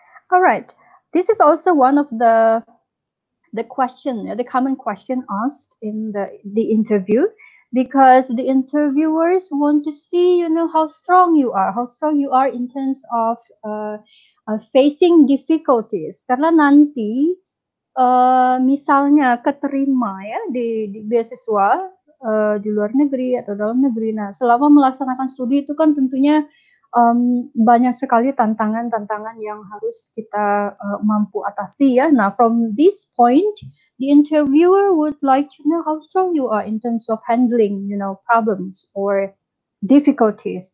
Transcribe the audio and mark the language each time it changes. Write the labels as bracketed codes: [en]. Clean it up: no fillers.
[en] Alright, this is also one of the question, the common question asked in the interview. Because the interviewers want to see, you know, how strong you are in terms of facing difficulties. [id] Karena nanti, misalnya keterima ya di beasiswa di luar negeri atau dalam negeri. Nah, selama melaksanakan studi itu kan tentunya banyak sekali tantangan-tantangan yang harus kita mampu atasi ya. Nah, [en] from this point, the interviewer would like to know how strong you are in terms of handling, you know, problems or difficulties.